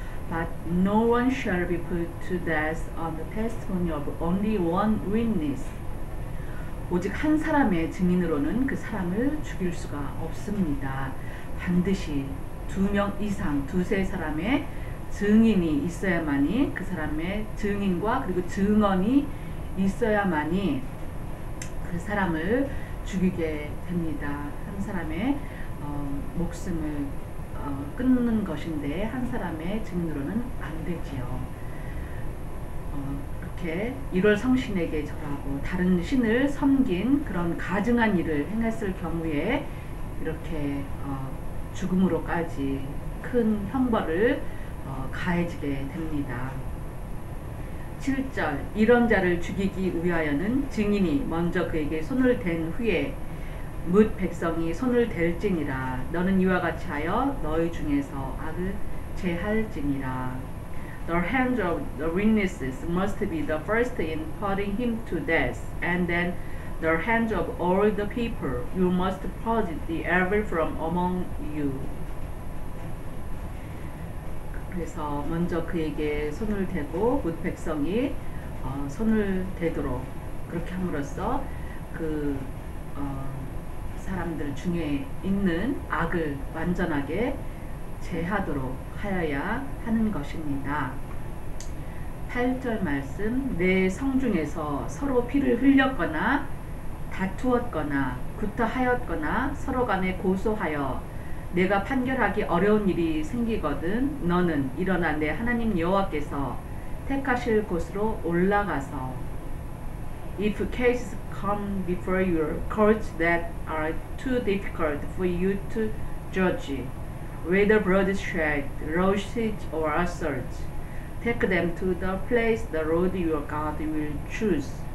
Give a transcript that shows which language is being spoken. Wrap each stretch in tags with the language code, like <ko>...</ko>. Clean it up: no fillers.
<en>But no one shall be put to death on the testimony of only one witness.</en> <ko>오직 한 사람의 증인으로는 그 사람을 죽일 수가 없습니다. 반드시 두 명 이상, 두세 사람의 증인이 있어야만이 그 사람의 증인과 그리고 증언이 있어야만이 그 사람을 죽이게 됩니다. 한 사람의 목숨을 끊는 것인데 한 사람의 증인으로는 안 되지요. 그렇게 일월 성신에게 절하고 다른 신을 섬긴 그런 가증한 일을 행했을 경우에 이렇게 죽음으로까지 큰 형벌을 가해지게 됩니다. 7절, 이런 자를 죽이기 위하여는 증인이 먼저 그에게 손을 댄 후에 뭇 백성이 손을 댈지니라. 너는 이와 같이 하여 너희 중에서 악을 제할지니라.</ko> <en>The hands of the witnesses must be the first in putting him to death, and then the hands of all the people. You must purge the evil from among you.</en> <ko>그래서 먼저 그에게 손을 대고 뭇 백성이 손을 대도록 그렇게 함으로써 그 사람들 중에 있는 악을 완전하게 제하도록 하여야 하는 것입니다. 8절 말씀, 내 성 중에서 서로 피를 흘렸거나 다투었거나 구타하였거나 서로 간에 고소하여 내가 판결하기 어려운 일이 생기거든 너는 일어나 내 하나님 여호와께서 택하실 곳으로 올라가서.</ko> <en>If cases come before your courts that are too difficult for you to judge, whether bloodshed, rushes or assault, take them to the place the Lord your God will choose.</en>